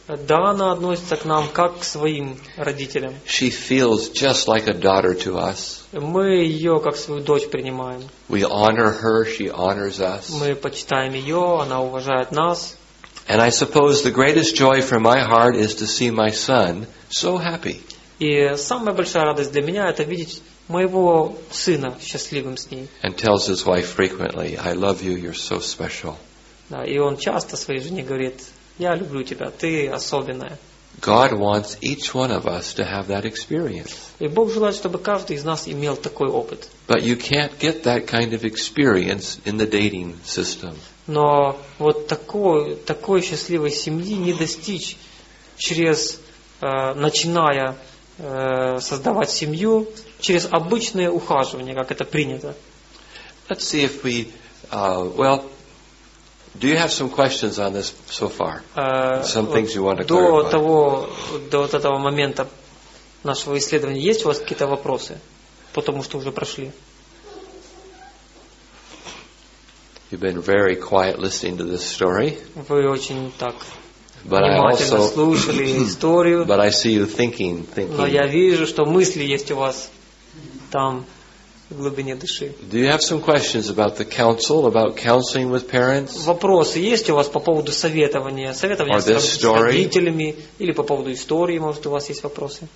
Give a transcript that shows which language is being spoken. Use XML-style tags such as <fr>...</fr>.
<ru>Donna относится к нам как к своим родителям.</ru> <en>She feels just like a daughter to us.</en> <ru>Мы ее как свою дочь принимаем.</ru> <en>We honor her, she honors us.</en> <ru>Мы почитаем ее, она уважает нас.</ru> <en>And I suppose the greatest joy for my heart is to see my son so happy.</en> <ru>И самая большая радость для меня это видеть моего сына счастливым с ней.</ru> <en>And tells his wife frequently, "I love you. You're so special."</en> <ru>Да, и он часто своей жене говорит: "Я люблю тебя. Ты особенная."</ru> <en>God wants each one of us to have that experience.</en> <ru>И Бог желает, чтобы каждый из нас имел такой опыт.</ru> <en>But you can't get that kind of experience in the dating system.</en> <ru>Но вот такой счастливой семьи не достичь через начиная создавать семью через обычное ухаживание, как это принято.</ru> <en>Let's see if we, well, do you have some questions on this so far? Some things you want to clarify.</en> <ru>До вот этого момента нашего исследования есть у вас какие-то вопросы по тому, что уже прошли?</ru> <en>You've been very quiet listening to this story.</en> <ru>Вы очень так внимательно слушали историю.</ru> <en>But I see you thinking.</en> <ru>Но я вижу, что мысли есть у вас там в глубине души.</ru> <en>Do you have some questions about the counsel, about counseling with parents?</en> <ru>Вопросы есть у вас по поводу советования с родителями или по поводу истории, может у вас есть вопросы?</ru>